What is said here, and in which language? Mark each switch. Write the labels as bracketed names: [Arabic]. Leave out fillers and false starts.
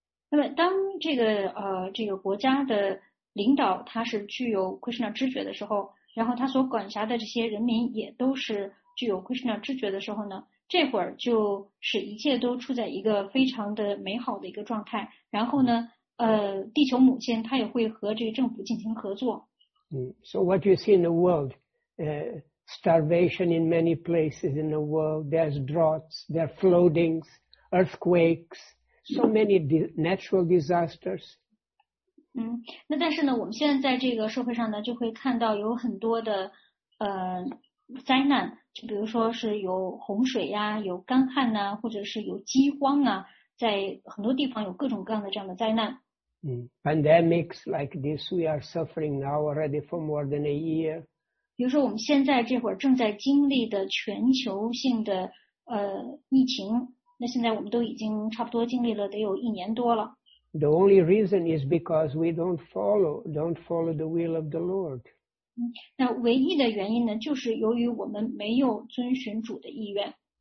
[Chinese] 那么当这个国家的领导他是具有 Krishna 知觉的时候，然后他所管辖的这些人民也都是具有 Krishna 知觉的时候呢，这会儿就是一切都处在一个非常的美好的一个状态，然后呢地球母亲她也会和这个政府进行合作。 [English] So what you see in the world, starvation in many places in the world, there's droughts, there are floodings, earthquakes, so many natural disasters. [Chinese] 那但是呢我们现在在这个社会上呢就会看到有很多的灾难，就比如说是有洪水呀，有干旱呐，或者是有饥荒啊，在很多地方有各种各样的这样的灾难。 [English] Pandemics like this we are suffering now already for more than a year. [Chinese] 比如说我们现在这会儿正在经历的全球性的疫情，那现在我们都已经差不多经历了得有一年多了。 [English] The only reason is because we don't follow the will of the Lord. [Chinese] 那唯一的原因呢，就是由于我们没有遵循主的意愿。